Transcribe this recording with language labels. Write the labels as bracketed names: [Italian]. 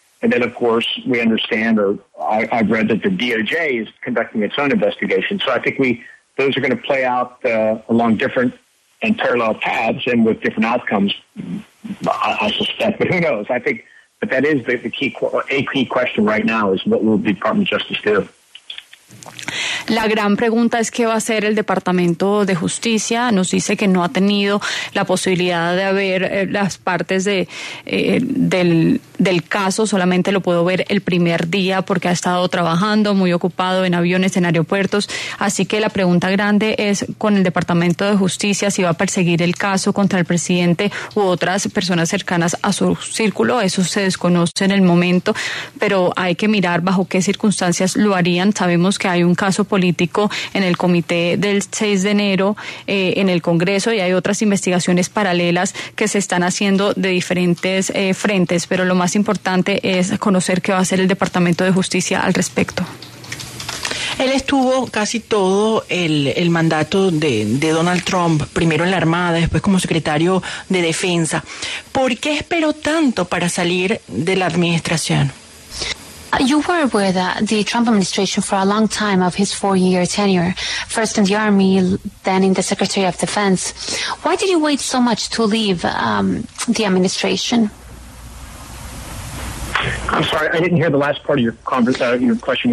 [English] And then, of course, we understand, or I've read that the DOJ is conducting its own investigation. So I think those are going to play out along different and parallel paths and with different outcomes, I suspect. But who knows? But that is the key question right now is what will the Department of Justice do? [Spanish] La gran pregunta es qué va a hacer el Departamento de Justicia. Nos dice que no ha tenido la posibilidad de ver las partes del caso, solamente lo puedo ver el primer día porque ha estado trabajando muy ocupado en aviones, en aeropuertos. Así que la pregunta grande es con el Departamento de Justicia si va a perseguir el caso contra el presidente u otras personas cercanas a su círculo. Eso se desconoce en el momento, pero hay que mirar bajo qué circunstancias lo harían. Sabemos que hay un caso político en el comité del 6 de enero en el Congreso y hay otras investigaciones paralelas que se están haciendo de diferentes frentes, pero lo más importante es conocer qué va a hacer el Departamento de Justicia al respecto. Él estuvo casi todo el mandato de Donald Trump, primero en la Armada, después como secretario de Defensa. ¿Por qué esperó tanto para salir de la administración? [English] You were with the Trump administration for a long time of his four-year tenure, first in the Army, then in the Secretary of Defense. Why did you wait so much to leave the administration? I'm sorry, I didn't hear the last part of your question.